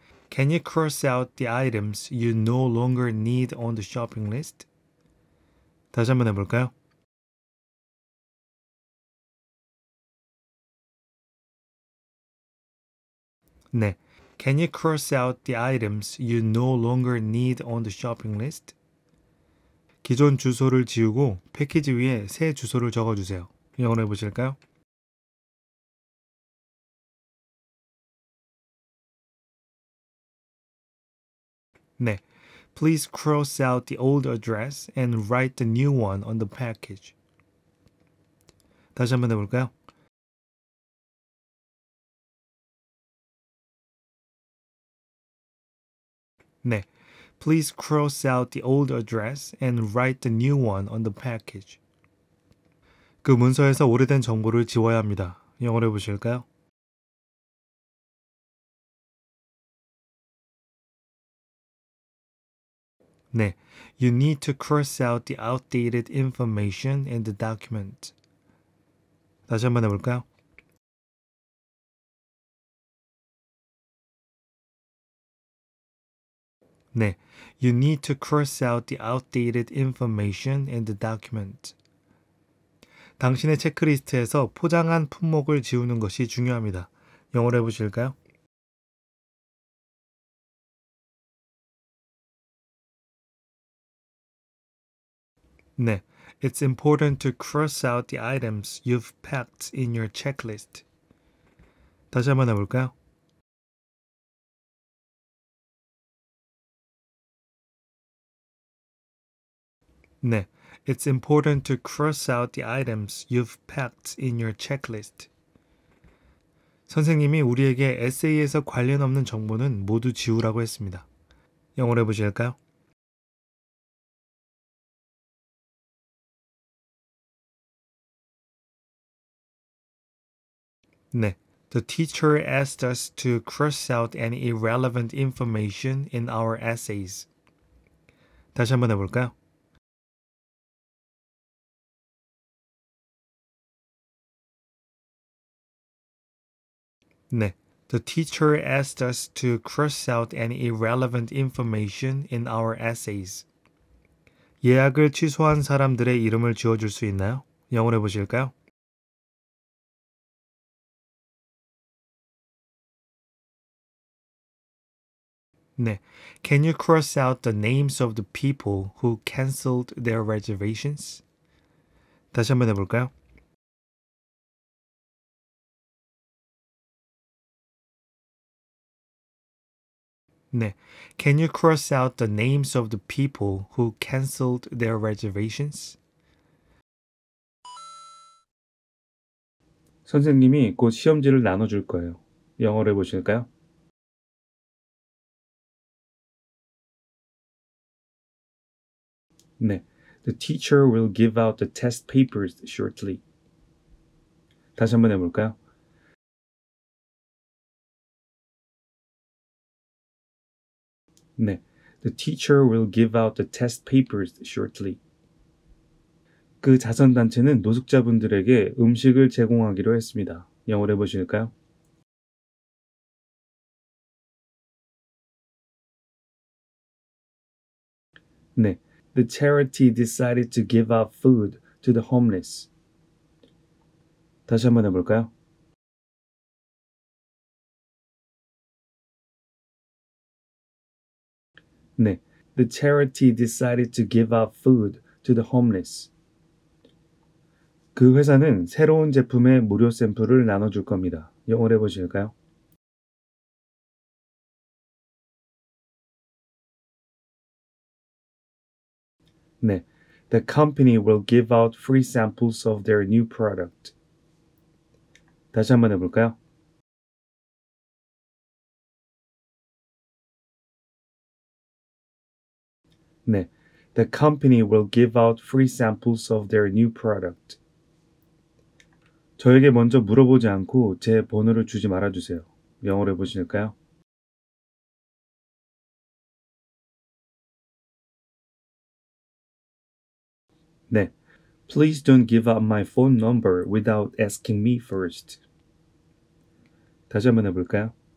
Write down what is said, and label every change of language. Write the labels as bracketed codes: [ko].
[en] Can you cross out the items you no longer need on the shopping list? [ko] 다시 한번 해볼까요? 네. [en] Can you cross out the items you no longer need on the shopping list? [ko] 기존 주소를 지우고 패키지 위에 새 주소를 적어주세요. 영어로 해보실까요? [en] Please cross out the old address and write the new one on the package. [ko] 다시 한번 해볼까요? 네. [en] Please cross out the old address and write the new one on the package. [ko] 그 문서에서 오래된 정보를 지워야 합니다. 영어로 해보실까요? [en] You need to cross out the outdated information in the document. [ko] 다시 한번 해볼까요? 네, [en] you need to cross out the outdated information in the document. [ko] 당신의 체크리스트에서 포장한 품목을 지우는 것이 중요합니다. 영어로 해보실까요? [en] It's important to cross out the items you've packed in your checklist. [ko] 다시 한번 해볼까요? 네, [en] it's important to cross out the items you've packed in your checklist. [ko] 선생님이 우리에게 에세이에서 관련 없는 정보는 모두 지우라고 했습니다. 영어로 해보실까요? [en] The teacher asked us to cross out any irrelevant information in our essays. [ko] 다시 한번 해볼까요? 네. [en] The teacher asked us to cross out any irrelevant information in our essays. [ko] 예약을 취소한 사람들의 이름을 지워줄 수 있나요? 영어로 해보실까요? [en] Can you cross out the names of the people who cancelled their reservations? [ko] 다시 한번 해볼까요? 네, [en] can you cross out the names of the people who cancelled their reservations? [ko] 선생님이 곧 시험지를 나눠줄 거예요. 영어로 해보실까요? [en] The teacher will give out the test papers shortly. [ko] 다시 한번 해볼까요? 네, [en] the teacher will give out the test papers shortly. [ko] 그 자선단체는 노숙자분들에게 음식을 제공하기로 했습니다. 영어로 해보실까요? [en] The charity decided to give out food to the homeless. [ko] 다시 한번 해볼까요? [en] The charity decided to give out food to the homeless. [ko] 그 회사는 새로운 제품의 무료 샘플을 나눠줄 겁니다. 영어로 해보실까요? [en] The company will give out free samples of their new product. [ko] 다시 한번 해볼까요? 네, [en] the company will give out free samples of their new product. [ko] 저에게 먼저 물어보지 않고 제 번호를 주지 말아주세요. 영어로 해보실까요? [en] Please don't give out my phone number without asking me first. [ko] 다시 한번 해볼까요?